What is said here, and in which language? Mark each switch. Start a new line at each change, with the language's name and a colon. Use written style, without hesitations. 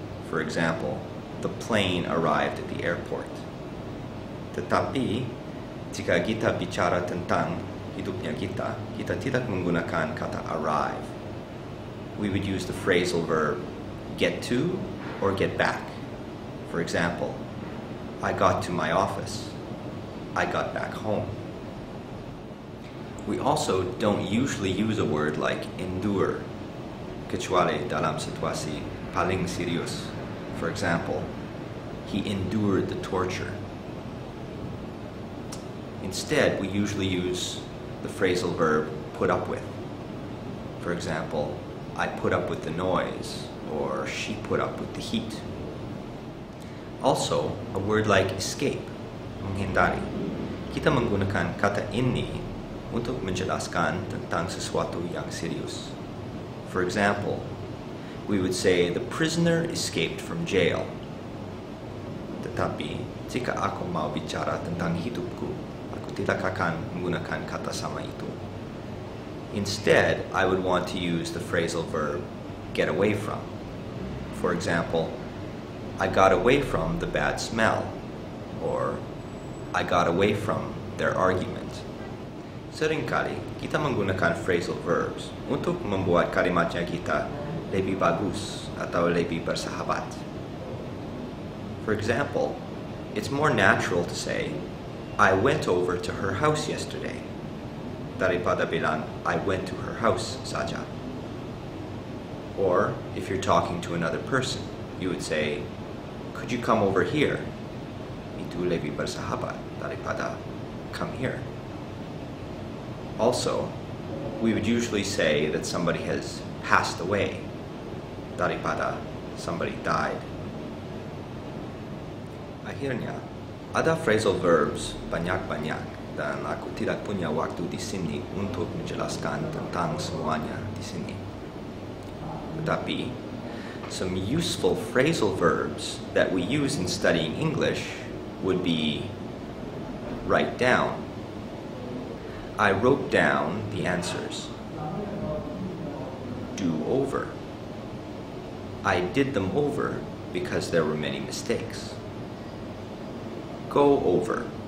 English: For example, the plane arrived at the airport.
Indonesian: Tetapi, jika kita bicara tentang hidupnya kita, kita tidak menggunakan kata arrive.
English: We would use the phrasal verb get to or get back. For example, I got to my office. I got back home. We also don't usually use a word like endure,
Indonesian: kecuali dalam situasi paling serius.
English: For example, he endured the torture. Instead, we usually use the phrasal verb put up with. For example, I put up with the noise, or she put up with the heat. Also, a word like escape, menghindari.
Indonesian: Kita menggunakan kata ini untuk menjelaskan tentang sesuatu yang serius.
English: For example, we would say the prisoner escaped from jail.
Indonesian: Tetapi, jika aku mau bicara tentang hidupku, aku tidak akan menggunakan kata sama itu.
English: Instead, I would want to use the phrasal verb get away from. For example, I got away from the bad smell, or I got away from their argument.
Indonesian: Seringkali, kita menggunakan phrasal verbs untuk membuat kalimatnya kita lebih bagus atau lebih bersahabat.
English: For example, it's more natural to say, I went over to her house yesterday,
Indonesian: daripada bilang,
English: I went to her house saja. Or, if you're talking to another person, you would say, could you come over here?
Indonesian: Itu lebih bersahabat daripada come here.
English: Also, we would usually say that somebody has passed away, daripada somebody died.
Indonesian: Akhirnya, ada phrasal verbs banyak-banyak, dan aku tidak punya waktu di sini untuk menjelaskan tentang semuanya di sini.
English: Tetapi, some useful phrasal verbs that we use in studying English would be write down. I wrote down the answers. Do over. I did them over because there were many mistakes. Go over.